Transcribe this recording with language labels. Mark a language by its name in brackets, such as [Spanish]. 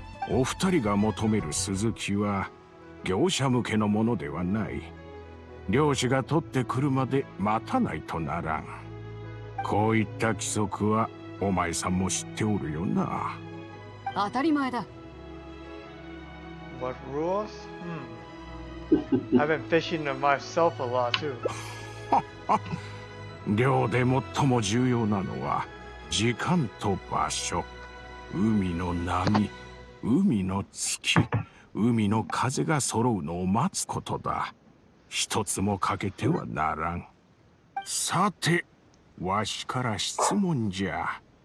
[Japanese] お二人が求める鈴木は業者向けのものではない。漁師が取ってくるまで待たないとならん。こういった規則はお前さんも知っておるよな。当たり前だ。 [English] What rules? I've been fishing to myself a lot too. [Japanese] 漁で最も重要なのは時間と場所。海の波、海の月、海の風が揃うのを待つことだ。一つも欠けてはならん。さて、わしから質問じゃ。